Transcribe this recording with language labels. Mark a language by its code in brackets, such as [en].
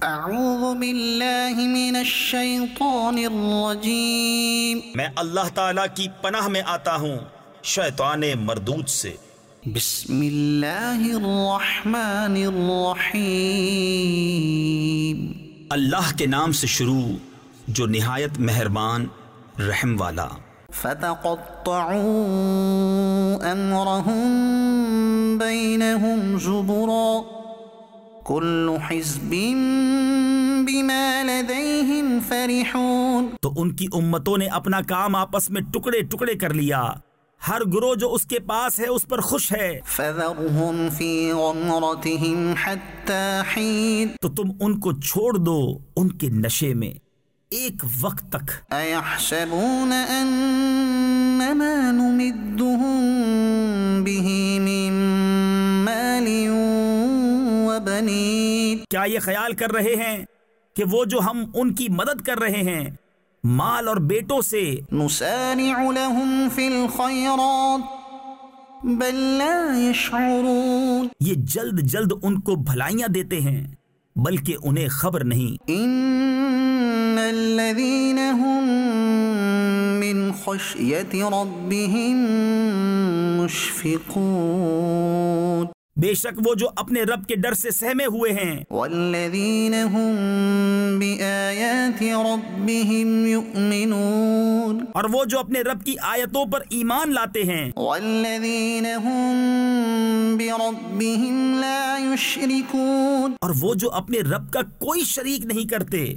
[ar] اعوذ بالله من الشيطان الرجيم [ur] میں اللہ تعالی کی پناہ میں آتا ہوں شیطان مردود سے. [ar] بسم الله الرحمن الرحيم [ur] اللہ کے نام سے شروع جو نہایت مہربان رحم والا. [ar] فتقطعوا امرهم بينهم زبرا كل حزب بما لديهم فرحون [ur] تو ان کی امتوں نے اپنا کام آپس میں ٹکڑے ٹکڑے کر لیا, ہر گروہ جو اس کے پاس ہے اس پر خوش ہے. [ar] فذرهم في غمرتهم حتى حين [ur] تو تم ان کو چھوڑ دو ان کے نشے میں ایک وقت تک. [ar] ایحسبون انما نمدهم به من مال وبنین [ur] کیا یہ خیال کر رہے ہیں کہ وہ جو ہم ان کی مدد کر رہے ہیں مال اور بیٹوں سے. [ar] نسارع لهم فی الخیرات بل لا یشعرون [ur] یہ جلد جلد ان کو بھلائیاں دیتے ہیں بلکہ انہیں خبر نہیں. [ar] ان الذين هم من خشية ربهم مشفقون [ur] بے شک وہ جو اپنے رب کے ڈر سے سہمے ہوئے ہیں. [ar] والذين هم بآيات ربهم يؤمنون [ur] اور وہ جو اپنے رب کی آیتوں پر ایمان لاتے ہیں. [ar] والذين هم بربهم لا يشركون [ur] اور وہ جو اپنے رب کا کوئی شریک نہیں کرتے.